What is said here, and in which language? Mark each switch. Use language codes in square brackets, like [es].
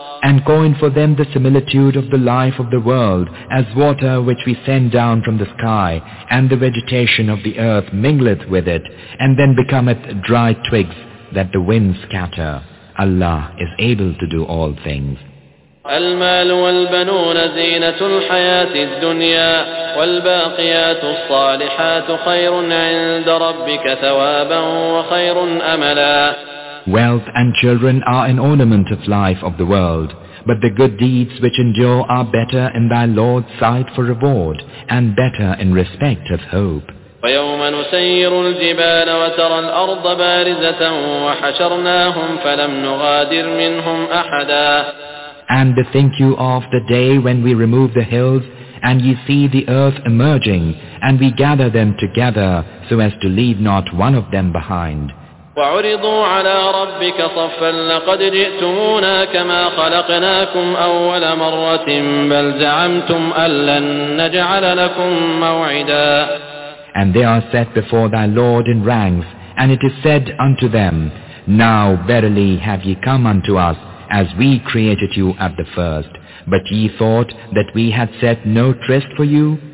[en] And coin for them the similitude of the life of the world as water which we send down from the sky, and the vegetation of the earth mingleth with it, and then becometh dry twigs that the winds scatter. Allah is able to do all things. [ar] المال والبنون زينة الحياة الدنيا والباقيات الصالحات خير عند ربك ثوابا وخير أملا. [en] Wealth and children are an ornament of life of the world, but the good deeds which endure are better in thy Lord's sight for reward and better in respect of hope. [ar] وَيَوْمَ نُسَيِّرُ الْجِبَالَ وَتَرَى الْأَرْضَ بَارِزَةً وَحَشَرْنَاهُمْ فَلَمْ نُغَادِرْ مِنْهُمْ أَحَدًا. [en] And bethink you of the day when we remove the hills and ye see the earth emerging, and we gather them together so as to leave not one of them behind. [ar] وعرضوا على ربك صفا لقد جئتمونا كما خلقناكم أول مرة بل زعمتم ألن نجعل لكم موعدا. [en] And they are set before thy Lord in ranks, and it is said unto them, Now verily have ye come unto us as we created you at the first, but ye thought that we had set no tryst for you.